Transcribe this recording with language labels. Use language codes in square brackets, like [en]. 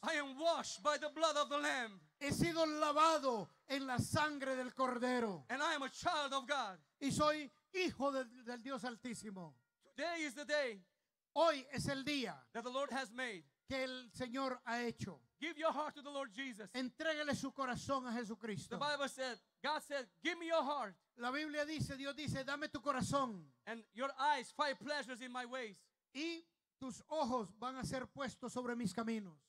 [en] I am washed by the blood of the Lamb. [es] He sido lavado en la sangre del Cordero. [en] And I am a child of God. [es] Y soy hijo del Dios Altísimo. [en] Today is the day. [es] Hoy es el día. [en] That the Lord has made. [es] Que el Señor ha hecho. [en] Give your heart to the Lord Jesus. [es] Entréguele su corazón a Jesucristo. [en] The Bible said, God said, give me your heart. [es] La Biblia dice, Dios dice, dame tu corazón. [en] And your eyes find pleasures in my ways. [es] Y tus ojos van a ser puestos sobre mis caminos.